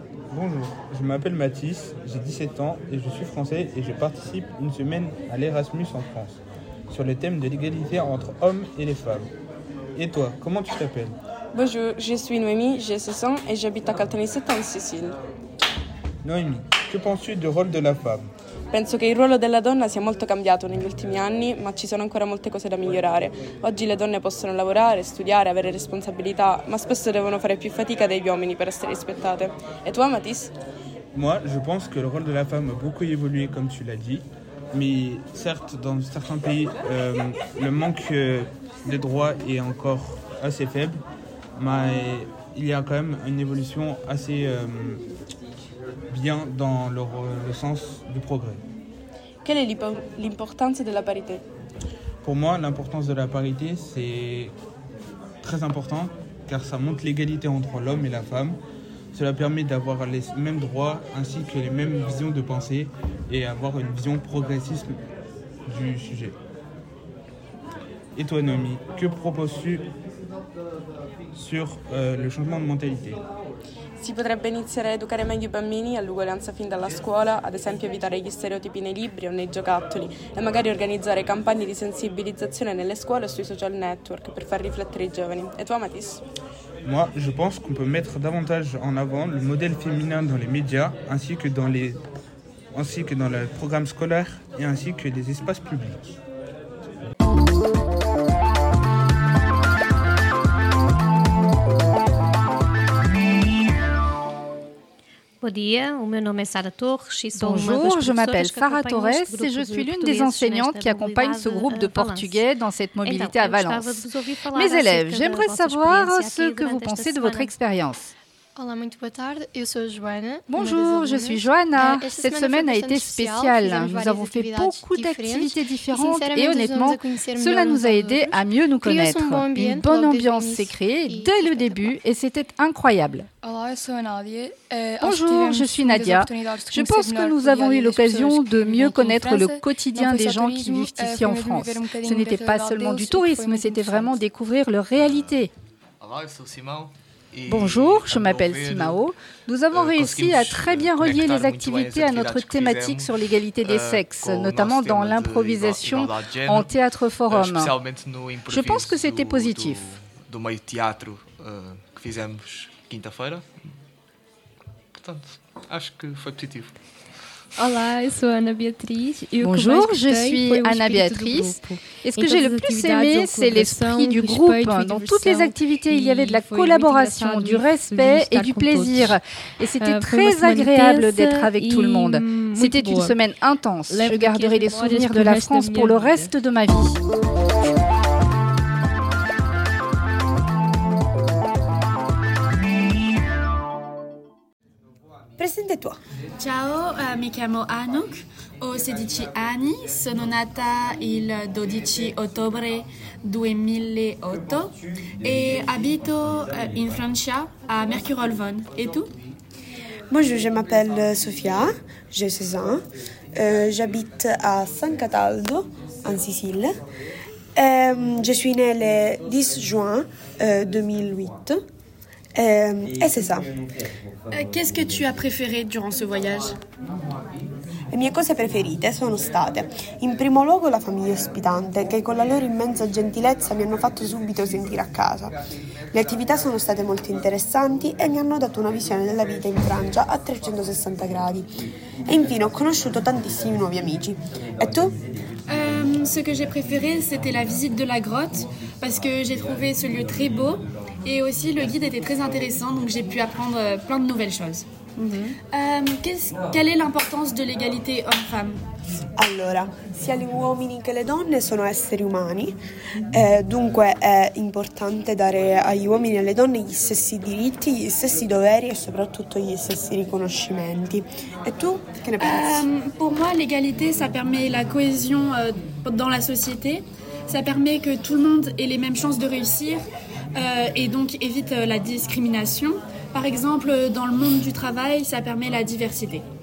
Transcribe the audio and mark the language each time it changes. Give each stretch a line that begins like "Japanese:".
French: Bonjour, je m'appelle Mathis, j'ai 17 ans et je suis français et je participe une semaine à l'Erasmus en France sur le thème de l'égalité entre hommes et les femmes. Et toi, comment tu t'appelles ? Bonjour, je suis Noémie, j'ai 16 ans et j'habite à Caltanissetta en Sicile. Noémie, que penses-tu du rôle de la femme ?
Italian: Penso che il ruolo della donna sia molto cambiato negli ultimi anni, ma ci sono ancora molte cose da migliorare. Oggi le donne possono lavorare, studiare, avere responsabilità, ma spesso devono fare più fatica degli uomini per essere rispettate. E tu, Mathis ?
French: Moi, je pense que le rôle de la femme a beaucoup évolué, comme tu l'as dit. Mais certes, dans certains pays, le manque de droits est encore assez faible, mais il y a quand même une évolution assez bien dans le sens du progrès. Quelle est l'importance de la parité ? Pour moi, l'importance de la parité, c'est très important, car ça montre l'égalité entre l'homme et la femme. Cela permet d'avoir les mêmes droits ainsi que les mêmes visions de pensée et avoir une vision progressiste du sujet. Et toi, Noémie, que proposes-tu sur le changement de mentalité ?
Italian: Si potrebbe iniziare a educare meglio i bambini all'uguaglianza fin dalla scuola, ad esempio evitare gli stereotipi nei libri o nei giocattoli, e magari organizzare campagne di sensibilizzazione nelle scuole o sui social network per far riflettere i giovani. E tu, Mathis?
French: Moi, je pense qu'on peut mettre davantage en avant le modèle féminin dans les médias, ainsi que dans le programme scolaire et ainsi que les espaces publics.
Portuguese: Bom dia, o meu nome é Sara Torres e sou
French: Bonjour, je m'appelle Sara Torres et je suis l'une des enseignantes qui accompagne ce groupe de portugais dans cette mobilité à Valence. Mes élèves, j'aimerais savoir ce que vous pensez de votre expérience.
Portuguese: Olá, muito boa tarde. Eu sou a Joana.
French: Bonjour, je suis Joana. Cette semaine a été spéciale. Nous avons fait beaucoup d'activités différentes et honnêtement, cela nous a aidés à mieux nous connaître. Une bonne ambiance s'est créée dès le début et c'était incroyable.
Portuguese: Olá, eu sou a Nadia.
French: Bonjour, je suis Nadia. Je pense que nous avons eu l'occasion de mieux connaître le quotidien des gens qui vivent ici en France. Ce n'était pas seulement du tourisme, c'était vraiment découvrir leur réalité.
Portuguese: Olá, eu sou Simão.
French: Bonjour, je m'appelle Simao. Nous avons réussi à très bien relier les activités à notre thématique sur l'égalité des sexes, notamment dans l'improvisation en théâtre forum. Je pense que c'était positif.
Portuguese: Do meio teatro que fizemos quinta-feira. Portanto, acho que foi positif. Olá, eu sou Ana Beatriz.
French: Bonjour, je suis Ana Beatriz. Et ce que j'ai le plus aimé, c'est l'esprit du groupe. Dans toutes les activités, il y avait de la collaboration, du respect et du plaisir. Et c'était très agréable d'être avec tout le monde. C'était une semaine intense. Je garderai les souvenirs de la France pour le reste de ma vie. Presente-toi.
Italian: Ciao, mi chiamo Anouk, ho 16 anni, sono nata il 12 ottobre 2008 e abito in Francia a Mercure-Olvon. E tu?
French: Bonjour, je m'appelle Sofia, j'ai 16 ans, j'habite à San Cataldo, en Sicile. Je suis née le 10 juin 2008. Et c'est ça. Qu'est-ce que tu as préféré durant ce voyage?
Italian: Le mie cose preferite sono state, in primo luogo, la famiglia ospitante, che con la loro immensa gentilezza mi hanno fatto subito sentire a casa. Le attività sono state molto interessanti e mi hanno dato una visione della vita in Francia a 360 gradi. E infine ho conosciuto tantissimi nuovi amici. E tu?
French: Ce que j'ai préféré, c'était la visite de la grotte, parce que j'ai trouvé ce lieu très beau. Et aussi, le guide était très intéressant, donc j'ai pu apprendre plein de nouvelles choses. Mm-hmm. Quelle est l'importance de l'égalité homme-femme?
Italian: Allora, sia gli uomini che le donne sono esseri umani, dunque è importante dare agli uomini e alle donne gli stessi diritti, gli stessi doveri e soprattutto gli stessi riconoscimenti. E tu, che ne pensi?
French: Pour moi, l'égalité, ça permet la cohésion dans la société, ça permet que tout le monde ait les mêmes chances de réussir. Et donc évite la discrimination. Par exemple, dans le monde du travail, ça permet la diversité.